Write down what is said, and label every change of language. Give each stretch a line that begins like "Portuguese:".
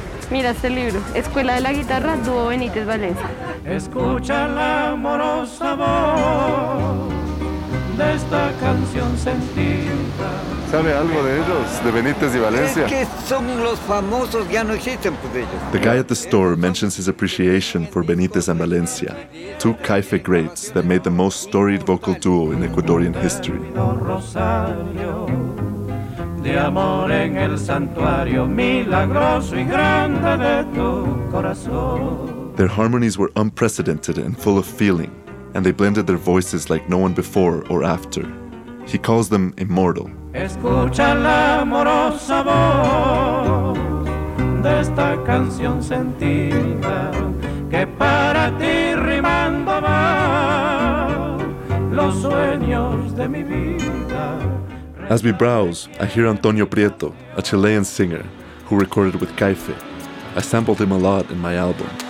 Spanish: Mira este libro, Escuela de la Guitarra, Dúo Benítez Valencia. Escucha la amorosa voz de esta canción sentida. ¿Sabe algo de ellos, de Benítez y Valencia? Es que son los famosos, ya no existen pues ellos.
English: The guy at the store mentions his appreciation for Benítez and Valencia, two Caife greats that made the most storied vocal duo in Ecuadorian history.
Spanish: Rosario, de amor en el santuario, milagroso y grande de tu corazón.
English: Their harmonies were unprecedented and full of feeling, and they blended their voices like no one before or after. He calls them immortal.
Spanish: Escucha la amorosa voz de esta canción sentida que para ti rimando va los sueños de mi vida.
English: As we browse, I hear Antonio Prieto, a Chilean singer who recorded with Caife. I sampled him a lot in my album.